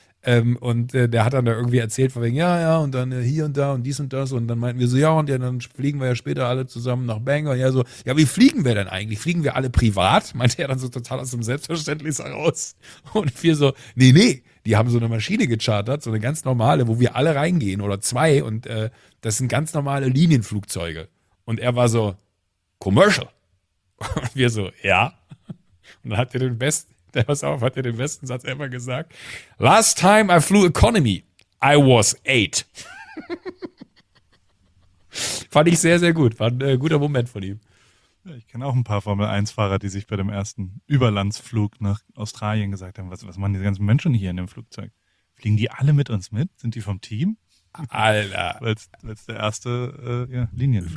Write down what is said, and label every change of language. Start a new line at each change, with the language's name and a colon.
German: und der hat dann da irgendwie erzählt von wegen, ja, und dann hier und da und dies und das, und dann meinten wir so, ja, und ja, dann fliegen wir ja später alle zusammen nach Bangor, ja, so, ja, wie fliegen wir denn eigentlich, fliegen wir alle privat, meinte er dann so total aus dem Selbstverständnis heraus, und wir so, nee, die haben so eine Maschine gechartert, so eine ganz normale, wo wir alle reingehen oder zwei, und das sind ganz normale Linienflugzeuge. Und er war so, Commercial. Und wir so, ja. Und dann hat er den besten Satz ever gesagt.
English: Last time I flew economy, I was 8.
German: Fand ich sehr, sehr gut. War ein guter Moment von ihm. Ich kenne auch ein paar Formel-1-Fahrer, die sich bei dem ersten Überlandsflug nach Australien gesagt haben, was machen diese ganzen Menschen hier in dem Flugzeug? Fliegen die alle mit uns mit? Sind die vom Team? Alter. Weil es der erste Linienflug.